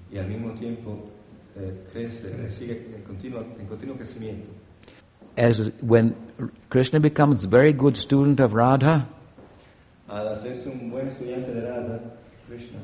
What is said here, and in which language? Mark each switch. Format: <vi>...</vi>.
<es>Y al mismo tiempo, crece, sigue en continuo crecimiento.</es> <en>As when Krishna becomes a very good student of Radha,</en> <es>al hacerse un buen estudiante de Radha, Krishna,</es>